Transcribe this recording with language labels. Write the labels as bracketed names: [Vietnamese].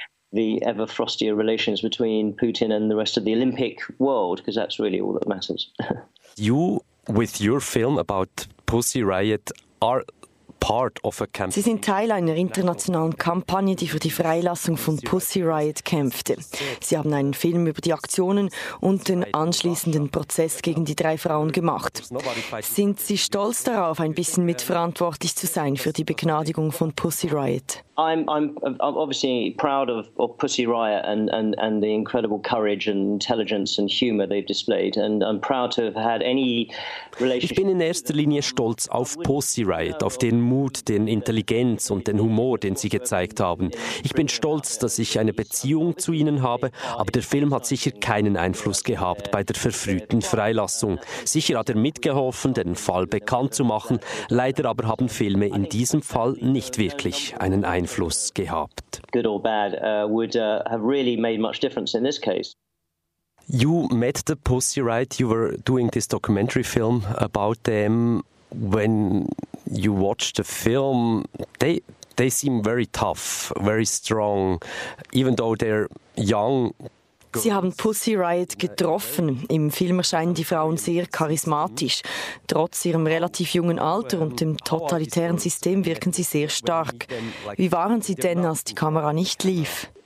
[English] The ever frostier relations between Putin and the rest of the Olympic world, because that's really all that matters. You, with your film about Pussy Riot, are part of a campaign. [German] Sie sind Teil einer internationalen Kampagne, die für die Freilassung von Pussy Riot kämpfte. Sie haben einen Film über die Aktionen und den anschließenden Prozess gegen die drei Frauen gemacht. Sind Sie stolz darauf, ein bisschen mitverantwortlich zu sein für die Begnadigung von Pussy Riot? [English] I'm obviously proud of Pussy Riot and the incredible courage and intelligence and humor they've displayed, and I'm proud to have had any relationship. [German] Ich bin in erster Linie stolz auf Pussy Riot, auf den Mut, den Intelligenz und den Humor, den sie gezeigt haben. Ich bin stolz, dass ich eine Beziehung zu ihnen habe, aber der Film hat sicher keinen Einfluss gehabt bei der verfrühten Freilassung. Sicher hat er mitgeholfen, den Fall bekannt zu machen. Leider aber haben Filme in diesem Fall nicht wirklich einen Einfluss gehabt. [English] Good or bad, would have really made much difference in this case. You met the Pussy Riot. You were doing this documentary film about them. When you watched the film, they seem very tough, very strong, even though they're young. [German] Sie haben Pussy Riot getroffen. Im Film erscheinen die Frauen sehr charismatisch. Trotz ihrem relativ jungen Alter und dem totalitären System wirken sie sehr stark. Wie waren sie denn, als die Kamera nicht lief?